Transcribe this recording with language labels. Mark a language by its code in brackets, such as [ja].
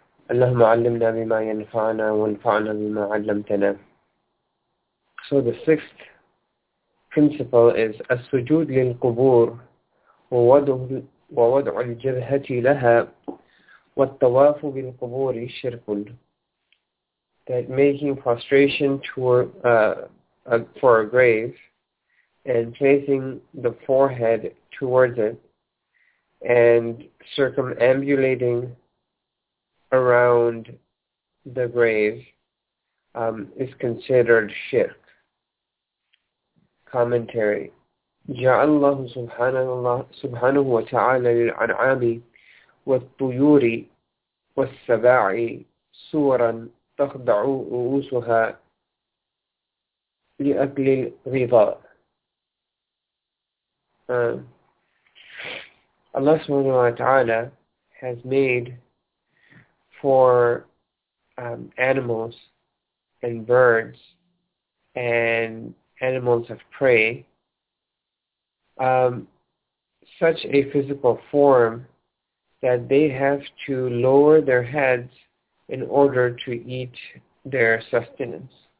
[ar] اللهم علمنا بما ينفعنا وانفعنا بما علمتنا. [en] So the sixth principle is [ar] السجود للقبور ووضع الجبهة لها والطواف بالقبور الشرك. [en] That making prostration for a grave and placing the forehead towards it and circumambulating around the grave is considered shirk. Commentary. [ar] جعل الله سبحانه وتعالى للأنعام والطيور والسباع صورا تخضع رؤوسها لأكل الغذاء. [en] Allah subhanahu wa ta'ala has made for animals and birds and animals of prey such a physical form that they have to lower their heads in order to eat their sustenance.